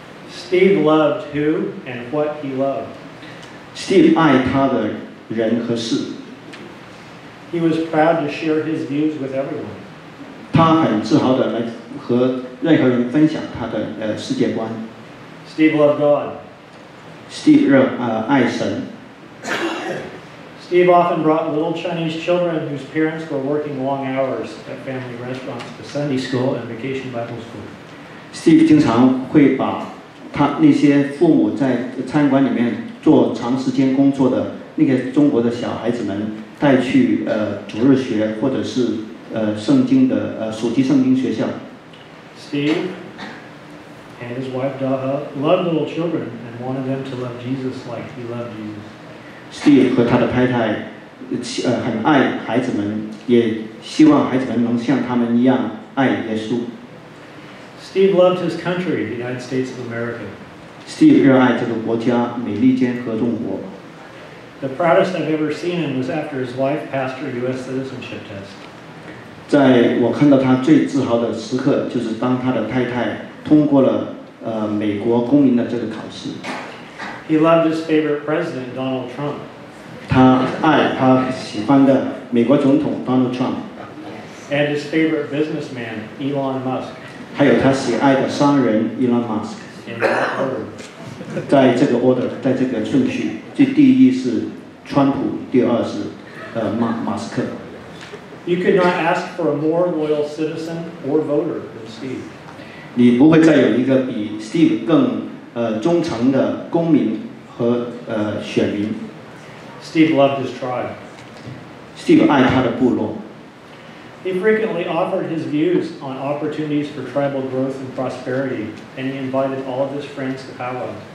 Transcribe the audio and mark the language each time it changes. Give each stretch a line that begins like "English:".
English: Steve loved who and what he loved.
Chinese: Steve 爱他的人和事。
English: He was proud to share his views with everyone.
Chinese: 他很自豪的来和任何人分享他的世界观。
English: Steve loved God.
Chinese: Steve 爱神。
English: Steve often brought little Chinese children whose parents were working long hours at family restaurants to Sunday school and vacation Bible school.
Chinese: Steve 经常会把他那些父母在餐馆里面做长时间工作的那个中国的小孩子们带去主日学或者是圣经的暑期圣经学校。
English: Steve and his wife Daha loved little children and wanted them to love Jesus like he loved Jesus.
Chinese: Steve 和他的太太很爱孩子们，也希望孩子们能像他们一样爱耶稣。
English: Steve loved his country, the United States of America.
Chinese: Steve 热爱这个国家，美利坚合众国。
English: The proudest I've ever seen him was after his wife passed her U.S. citizenship test.
Chinese: 在我看到他最自豪的时刻，就是当他的太太通过了美国公民的这个考试。
English: He loved his favorite president, Donald Trump.
Chinese: 他爱他喜欢的美国总统 Donald Trump.
English: And his favorite businessman, Elon Musk.
Chinese: 还有他喜爱的商人 Elon Musk.
English: In that order.
Chinese: 在这个
English: order，
Chinese: 在这个顺序，就第一是川普，第二是马斯克。
English: You could not ask for a more loyal citizen or voter than Steve.
Chinese: 你不会再有一个比 Steve 更忠诚的公民和选民。
English: Steve loved his tribe.
Chinese: Steve 爱他的部落。
English: He frequently offered his views on opportunities for tribal growth and prosperity, and he invited all of his friends to powwow.